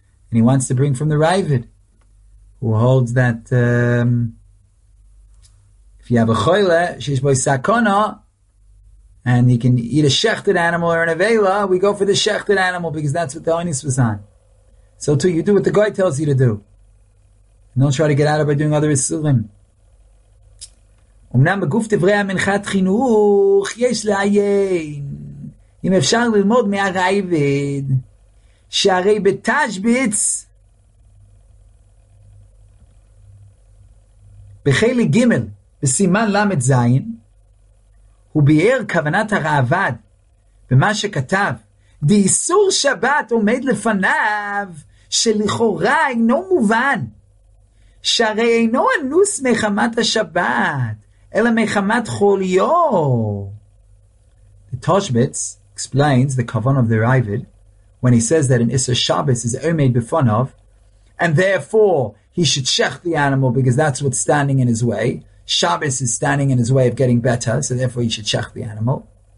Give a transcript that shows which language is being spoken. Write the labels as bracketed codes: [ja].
[en] And he wants to bring from the Ravid, who holds that if you have a Choyle, Shish Boi Sakona, and he can eat a Shechted animal or an Avela, we go for the Shechted animal, because that's what the Onis was on. So too, you do what the guy tells you to do. And don't try to get out of it by doing other Isserim. [he] אמנם בגוף דברי המנחת חינוך יש לעיין אם אפשר ללמוד מהרייבד שהרי בתשביץ בחלק ג' בסימן למד ז' הוא ביאר כוונת הרעבד במה שכתב דאיסור שבת עומד לפניו שלכאורה אינו מובן שהרי אינו אנוס מחמת השבת אלא מחמת חוליו. [en] The Toshbitz explains the kavan of the Ravid when he says that an Isser Shabbos is [he] omed b'fonav, [en] and therefore he should shech the animal because that's what's standing in his way. Shabbos is standing in his way of getting better, so therefore he should shech the animal.